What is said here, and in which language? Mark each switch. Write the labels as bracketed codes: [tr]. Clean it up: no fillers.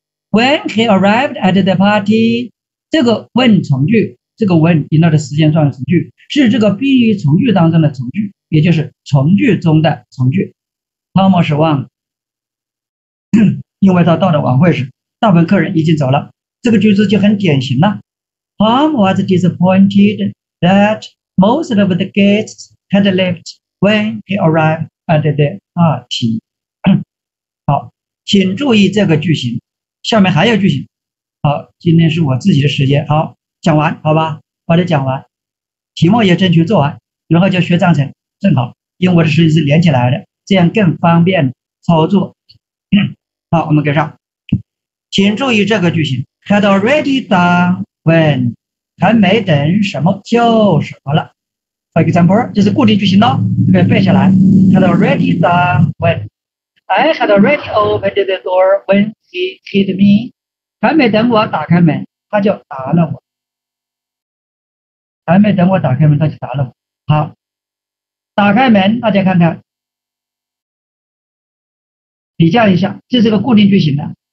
[en] When he arrived at the party， [zh] 这个 when 从句，这个 when 引到的时间状语从句，是这个宾语从句当中的从句，也就是从句中的从句。汤姆失望，因为他到了晚会时，大部分客人已经走了。这个句子就很典型了。 [en] Tom was disappointed that most of the guests had left when he arrived at the party. [zh] 好，请注意这个句型，下面还有句型。好，今天是我自己的时间，好，讲完，好吧，把它讲完，题目也争取做完，然后就学章程，正好，因为我的时间是连起来的，这样更方便操作。好，我们跟上，请注意这个句型，had already done when。还没等什么就什么了， [en] for example， [zh] 这是固定句型了，给背下来。 [en] Had already done when I had already opened the door when he hit me。 [zh] 还没等我打开门，他就打了我。还没等我打开门，他就打了我。好，打开门，大家看看，比较一下，这是个固定句型的。